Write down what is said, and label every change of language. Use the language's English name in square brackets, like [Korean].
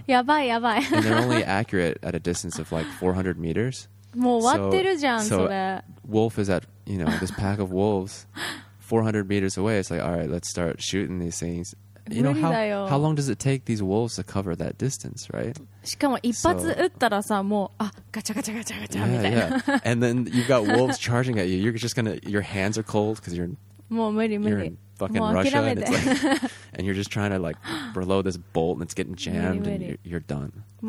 [Japanese] やばいやばい. [English] And they're only accurate at a distance of like 400 meters. Wolf is at, you know, this pack of wolves 400 meters away. It's like, all right, let's start shooting these things. You know, how long does it take these wolves to cover that distance, right? [Japanese] しかも一発撃ったらさ、もう、あ、ガチャガチャガチャガチャみたいな。 [English] And then you've got wolves charging at you. You're just going to, your hands are cold because you're in fucking Russia. And, it's like, and you're just trying to like blow this bolt and it's getting jammed and you're done.